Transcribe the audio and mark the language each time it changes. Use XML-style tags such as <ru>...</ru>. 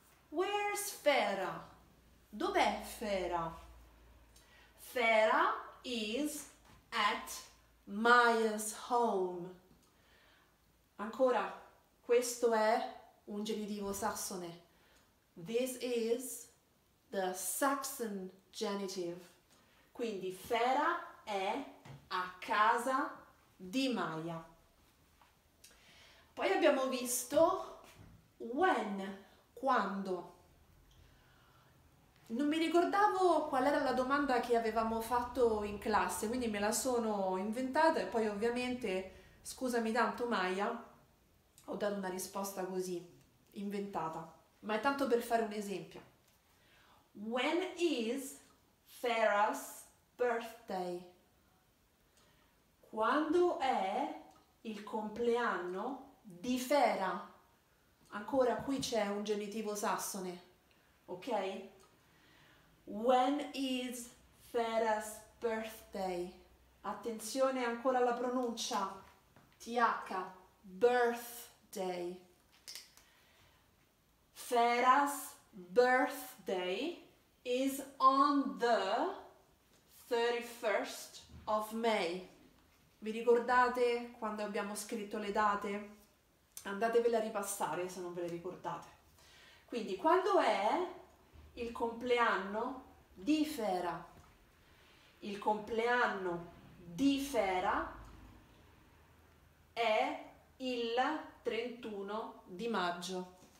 <en>Where's Farah?</en> <it>Dov'è Farah?</it> <en>Farah is at Maya's home.</en> <it>Ancora, questo è un genitivo sassone.</it> <en>This is the Saxon genitive.</en> <it>Quindi Fera è a casa di Maya. Poi abbiamo visto when, quando. Non mi ricordavo qual era la domanda che avevamo fatto in classe, quindi me la sono inventata e poi ovviamente, scusami tanto Maya, ho dato una risposta così, inventata. Ma è tanto per fare un esempio.</it> <en>When is Farah's birthday?</en> <it>Quando è il compleanno di Fera? Ancora qui c'è un genitivo sassone, ok?</it> <en>When is Fera's birthday?</en> <it>Attenzione ancora alla pronuncia.</it> <en>TH, birthday. Fera's birthday is on the 31st of May.</en> <it>Vi ricordate quando abbiamo scritto le date? Andatevela a ripassare se non ve le ricordate. Quindi, quando è il compleanno di Fera? Il compleanno di Fera è il 31 di maggio.</it>